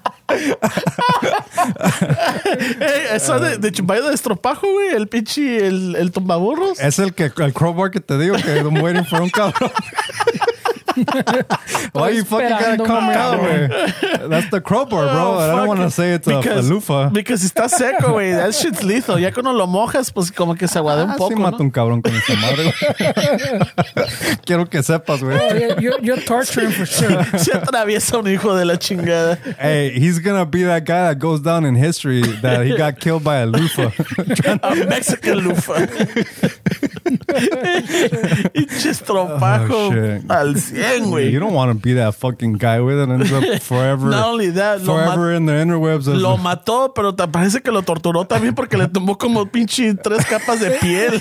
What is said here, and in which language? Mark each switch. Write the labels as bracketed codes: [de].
[es] Hey, eso de Chumbayo de Estropajo, güey. El pinche, el tumbaburros. Es el crowbar que te digo. Que [en] I'm waiting for [es] un cabrón. [en] Why you fucking gotta come out, man? That's the crowbar, bro. Oh, I don't want to say it's a loofah. Because [es] está seco, güey. [en] That shit's lethal. [es] Ya cuando lo mojas, pues como que se aguade un poco. Sí, mato un cabrón con esa madre. Quiero que sepas, güey. [en] You're torturing for sure. [es] Se atraviesa un hijo de la chingada. [en] Hey, he's gonna be that guy that goes down in history that he got killed by a loofah. A Mexican loofah. It's just trompajo. [es] Al 100, güey. [en] You don't want to be that fucking guy with it and ends up forever. Not only that, forever in the interwebs. [es] Lo mató, pero te parece que lo torturó también porque le tomó como pinche tres capas de piel.